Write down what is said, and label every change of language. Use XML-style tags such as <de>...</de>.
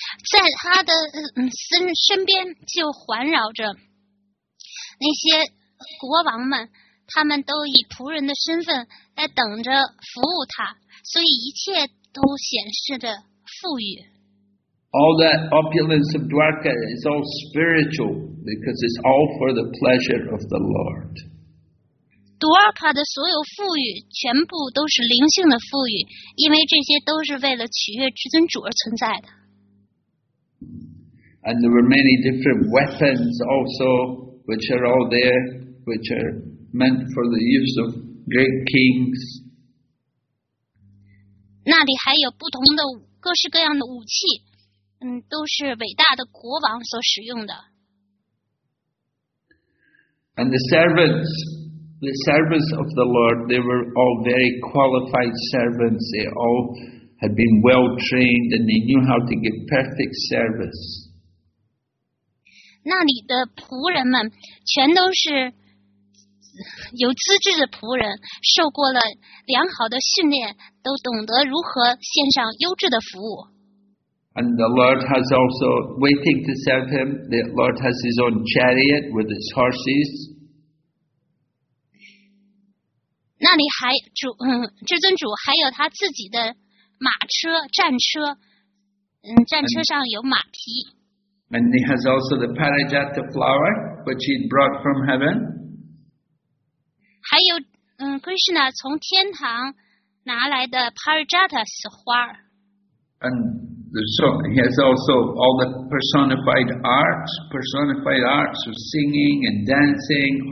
<zh>在他的身边就环绕着那些国王们，他们都以仆人的身份在等着服务他，所以一切都显示着富裕。</zh> <en>All that opulence of Dwarka is all spiritual because it's all for the pleasure of the Lord.</en> <zh>多尔卡的所有富裕全部都是灵性的富裕，因为这些都是为了取悦至尊主而存在的。</zh> <en>And there were many different weapons also, which are all there, which are meant for the use of great kings.</en> <zh>那里还有不同的各式各样的武器，都是伟大的国王所使用的。</zh> <en>And the servants. The servants of the Lord, they were all very qualified servants. They all had been well trained and they knew how to give perfect service.</en> <zh>那里的仆人们全都是有资质的仆人，受过了良好的训练，都懂得如何献上优质的服务。</zh> <en>And the Lord has also waiting to serve him. The Lord has his own chariot with his horses.</en> <zh>那里还主至尊主还有他自己的马车战车，战车上有马蹄。</zh> <en>And he has also the parijata flower which he brought from heaven.</en> <zh>还有Krishna 从天堂拿来的 parijata 花。</zh> <en>And so he has also all the personified arts of singing and dancing.</en>